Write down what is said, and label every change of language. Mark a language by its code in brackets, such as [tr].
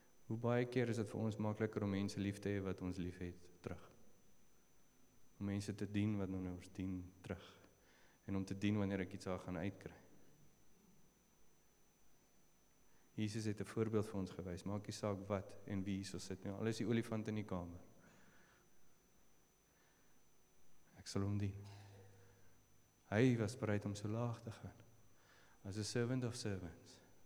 [af] Hoe baie keer is het vir ons makkeliker om mense lief te hê wat ons lief het, terug. Om mense te dien wat ons dien, terug. En om te dien wanneer ek iets daar gaan uitkry. Jesus het 'n voorbeeld vir ons gewys. Maak nie saak wat en wie hierso sit nie. Alles is die olifant in die kamer. Ek sal hom dien. Hy was bereid om so laag te gaan. [en] As a servant of servants.